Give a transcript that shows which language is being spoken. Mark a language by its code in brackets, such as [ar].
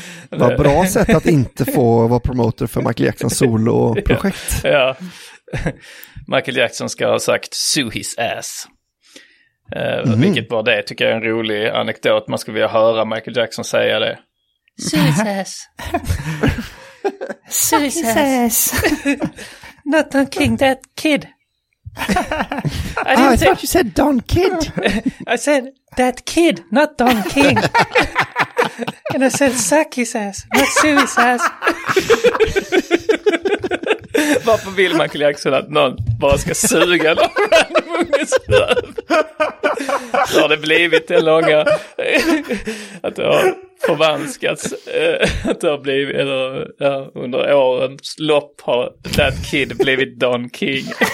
[sv] Vad bra sätt att inte få vara promoter för Michael Jacksons solo-projekt. Ja. Michael Jackson ska ha sagt [en] sue his ass. [sv] Vilket var det, tycker jag är en rolig anekdot. Man skulle vilja höra Michael Jackson säga det. [en] Sue his ass. Sue his ass. Not Don King, that kid. I thought you said Don Kid. I said that kid, not Don King. And I said, suck his ass, not sue his ass. [sv] Varför vill man Michael Jackson att någon bara ska suga någon unges röv? Har det blivit det långa att det har förvanskats att det har blivit eller, ja, under årens lopp har [en] that kid [sv] blivit Don King.